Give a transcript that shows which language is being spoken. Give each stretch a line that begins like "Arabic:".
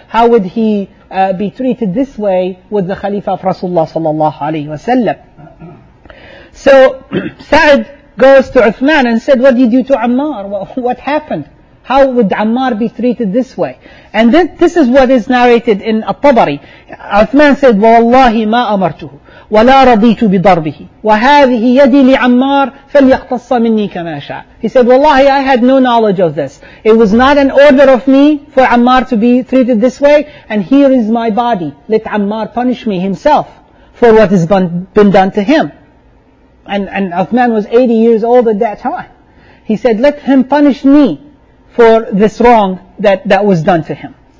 English: How would he be treated this way with the Khalifa of Rasulullah sallallahu alayhi wa sallam? So Sa'd goes to Uthman and said, what did you do to Ammar? What happened? How would Ammar be treated this way? And this is what is narrated in At-Tabari. Uthman said,
Arabic: وَوَاللَّهِ مَا أَمَرْتُهُ وَلَا رَضِيتُ بِضَرْبِهِ وَهَذِهِ يَدِي لِعَمَّارِ فَلْيَقْتَصَّ مِنِّي كَمَا شَعَ.
English: He said, wallahi, I had no knowledge of this. It was not an order of me for Ammar to be treated this way. And here is my body. Let Ammar punish me himself for what has been done to him. And Uthman was 80 years old at that time. He said, let him punish me for this wrong that was done to him.